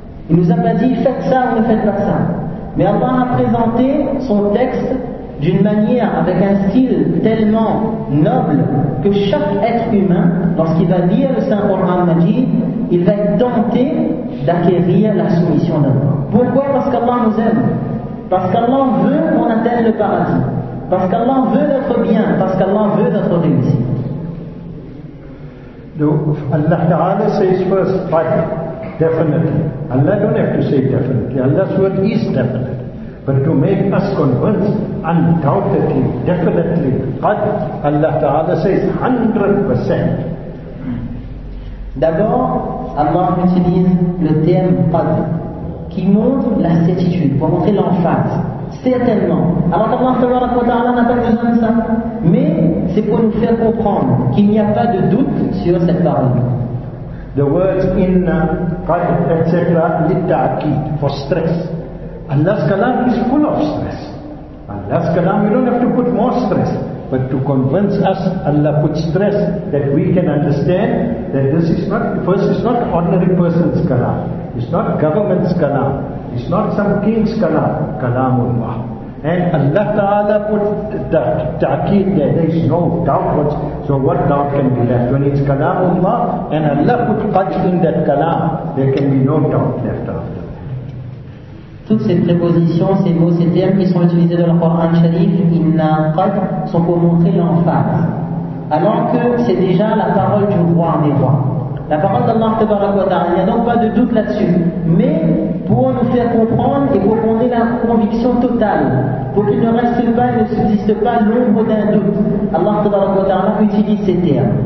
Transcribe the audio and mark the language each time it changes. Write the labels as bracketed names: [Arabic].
[French] Il ne nous a pas dit faites ça ou ne faites pas ça. Mais Allah a présenté son texte d'une manière, avec un style tellement noble que chaque être humain, lorsqu'il va lire le Saint-Coran Majid, il va être tenté d'acquérir la soumission d'Allah. Pourquoi? Parce qu'Allah nous aime. Parce qu'Allah veut qu'on atteigne le paradis. Parce qu'Allah veut notre bien, parce qu'Allah veut notre réussite. [English] Allah Ta'ala says first, but definitely. Allah don't have to say definitely. Allah's word is definite. But to make us convinced, undoubtedly, definitely, but Allah Ta'ala says 100%. [French] D'abord, Allah utilise le terme qad, qui montre la certitude, pour montrer l'emphase. Certainement. Alors qu'Allah subhanahu wa ta'ala n'a pas besoin de ça. Mais c'est pour nous faire comprendre qu'il n'y a pas de doute sur cette parole. [English] The words inna, qad, etc. litta'akid, for stress. Allah's kalam is full of stress. Allah's kalam, you don't have to put more stress. But to convince us, Allah put stress that we can understand that this is not, first, it's not ordinary person's kalam. It's not government's kalam. It's not some king's kalam, kalamullah. And Allah Ta'ala put ta'keed there. There is no doubt. So what doubt can be left? When it's kalamullah and Allah put qad in that kalam, there can be no doubt left after. [French] Toutes ces prépositions, ces mots, ces termes qui sont utilisés dans le Coran Sharif, inna qad, sont pour montrer l'emphase. Alors que c'est déjà la parole du roi des rois. La parole d'Allah Ta'ala, il n'y a donc pas de doute là-dessus. Mais pour nous faire comprendre et pour qu'on ait la conviction totale, pour qu'il ne reste pas, ne subsiste pas l'ombre d'un doute, Allah Ta'ala utilise ces termes.